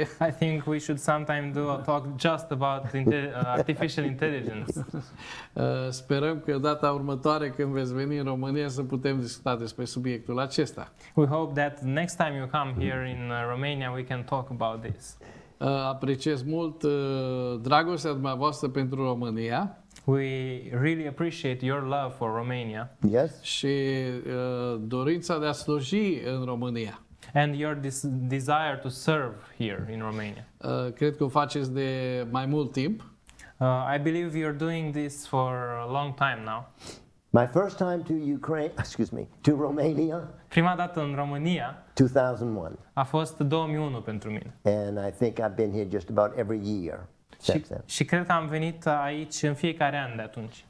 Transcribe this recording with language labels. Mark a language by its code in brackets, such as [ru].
[en] I think we should sometime do a talk just about artificial intelligence. [ro] Sperăm că data următoare când veți veni în România să putem discuta despre subiectul acesta. [en] We hope that next time you come here in Romania we can talk about this. [ro] Apreciez mult dragostea dumneavoastră pentru România. [en] We really appreciate your love for Romania. Yes. [ro] Și dorința de a sluji în România. [en] And your desire to serve here in Romania. [ro] Cred că o faceți de mai mult timp. [en] I believe you're doing this for a long time now. My first time to Ukraine, excuse me, to Romania. [ro] Prima dată în România. [en] 2001. [ro] A fost 2001 pentru mine. [en] And I think I've been here just about every year since then. [ro] Și cred că am venit aici în fiecare an de atunci.